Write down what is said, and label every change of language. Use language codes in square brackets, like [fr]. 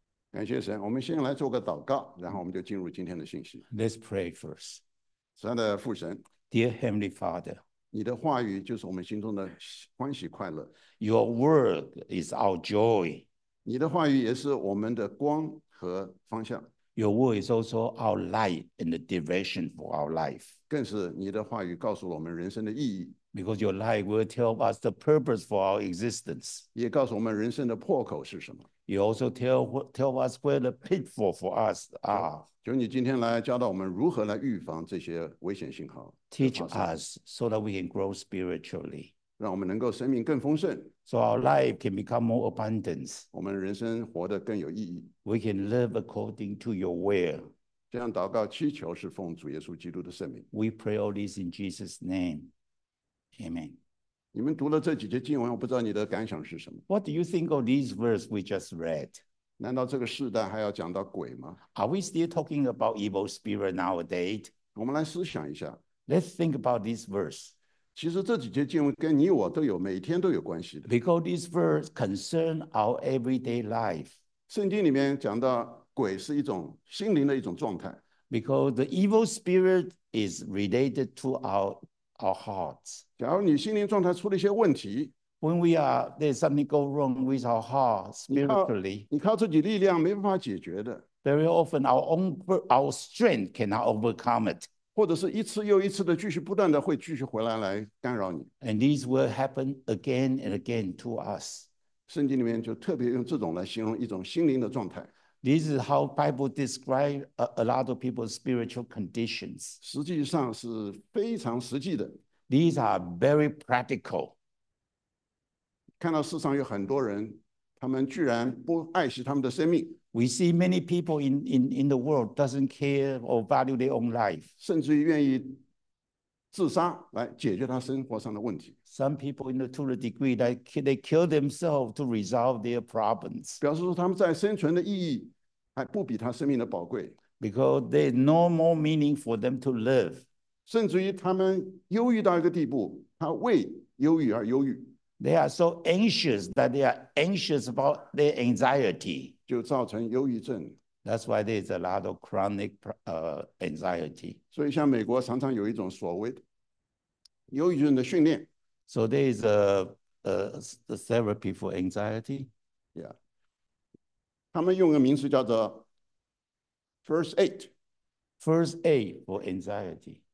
[zh] 感谢神，我们先来做个祷告，然后我们就进入今天的信息。 [en] Let's pray first. [zh] 亲爱的父神 [en] ，Dear Heavenly Father， [zh] 你的话语就是我们心中的欢喜快乐。 [en] Your word is our joy. [zh] 你的话语也是我们的光和方向。 [en] Your word is also our light and the direction for our life. [zh] 更是你的话语告诉了我们人生的意义。 [en] Because your light will tell us the purpose for our existence. [zh] 也告诉我们人生的破口是什么。 [en] You also tell us where the pitfall for us are. [zh] 求你今天来教导我们如何来预防这些危险信号。 [en] Teach us so that we can grow spiritually. [zh] 让我们能够生命更丰盛。 [en] So our life can become more abundant. [zh] 我们人生活得更有意义。 [en] We can live according to your will. [zh] 这样祷告祈求是奉主耶稣基督的圣名。 [en] We pray all this in Jesus' name. Amen. [zh] 你们读了这几节经文，我不知道你的感想是什么。 [en] What do you think of these verses we just read? [zh] 难道这个时代还要讲到鬼吗？ [en] Are we still talking about evil spirit nowadays? [zh] 我们来思想一下。 [en] Let's think about this verse. [zh] 其实这几节经文跟你我都有，每天都有关系的。 [en] Because this verse concerns our everyday life. [zh] 圣经里面讲到鬼是一种心灵的一种状态。 [en] Because the evil spirit is related to our hearts. [zh] 假如你心灵状态出了一些问题， [en] When we are, there's something go wrong with our heart spiritually. [zh] 你靠自己力量没办法解决的。 [en] Very often our strength cannot overcome it. [zh] 或者是一次又一次的继续不断的会继续回来来干扰你。 [en] And these will happen again and again to us. [zh] 圣经里面就特别用这种来形容一种心灵的状态。 [en] This is how Bible describes a lot of people's spiritual conditions. [zh] 实际上是非常实际的。 [en] These are very practical. [zh] 看到世上有很多人，他们居然不爱惜他们的生命。 [en] We see many people in the world doesn't care or value their own life. [zh] 甚至于愿意自杀来解决他生活上的问题。 [en] Some people in the to the degree that they kill themselves to resolve their problems. [zh] 表示说他们在生存的意义还不比他生命的宝贵。 [en] Because there's no more meaning for them to live. [zh] 甚至于他们忧郁到一个地步，他为忧郁而忧郁。 [en] They are so anxious that they are anxious about their anxiety. [zh] 就造成忧郁症。 [en] That's why there's a lot of chronic anxiety. [zh] 所以像美国常常有一种所谓的忧郁症的训练。 [en] So there is a therapy for anxiety. [zh] Yeah. 他们用个名词叫做 first aid. [en] First aid for anxiety.